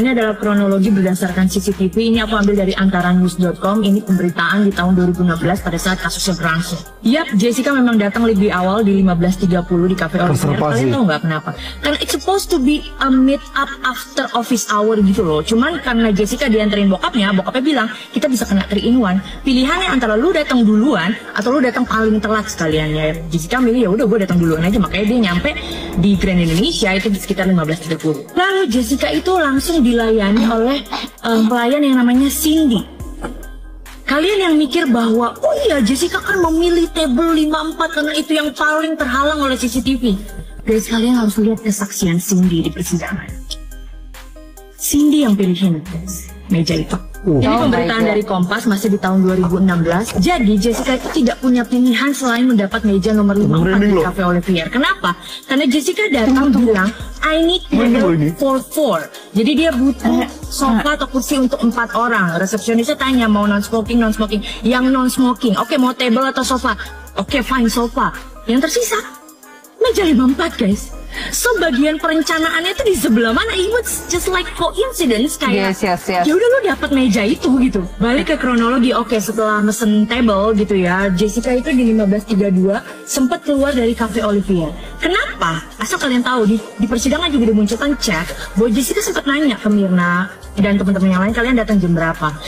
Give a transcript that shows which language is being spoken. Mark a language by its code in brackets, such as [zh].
[id] Ini adalah kronologi berdasarkan CCTV. Ini aku ambil dari antaranews.com. Ini pemberitaan di tahun 2016 pada saat kasusnya berlangsung. Yap, Jessica memang datang lebih awal di 15.30 di Cafe Orchard. Kalian tau gak kenapa? [en] Karena it's supposed to be a meet up after office hour gitu loh. [id] Cuman karena Jessica dianterin bokapnya, bokapnya bilang kita bisa kena 3-in-1. Pilihannya antara lu datang duluan atau lu datang paling telat sekalian. Ya, Jessica milih ya udah gue datang duluan aja. Makanya dia nyampe di Grand Indonesia itu di sekitar 15.30. Lalu Jessica itu langsung dilayani oleh pelayan yang namanya Cindy. Kalian yang mikir bahwa, oh iya Jessica kan memilih table 54 karena itu yang paling terhalang oleh CCTV. Guys, kalian harus lihat kesaksian Cindy di persidangan. Cindy yang pilihin meja itu. Ini pemberitaan dari Kompas, masih di tahun 2016. Jadi Jessica itu tidak punya pilihan selain mendapat meja nomor 54 di Cafe Olivier. Kenapa? Karena Jessica datang bilang, [en] I need table for 4. [id] Jadi dia butuh sofa atau kursi untuk 4 orang. Resepsionisnya tanya, mau non-smoking? Yang non-smoking, oke, mau table atau sofa? Oke, fine, sofa. Yang tersisa, meja 54 guys. So bagian perencanaannya itu di sebelah mana? [en] It was just like coincidence kayak. Yes. [id] Ya udah lu dapat meja itu gitu. Balik ke kronologi, oke, setelah mesen table gitu ya. Jessica itu di 15.32 sempat keluar dari Cafe Olivier. Kenapa? Asal kalian tahu di persidangan juga dimunculkan chat bahwa Jessica sempat nanya ke Mirna dan teman-teman yang lain, kalian datang jam berapa?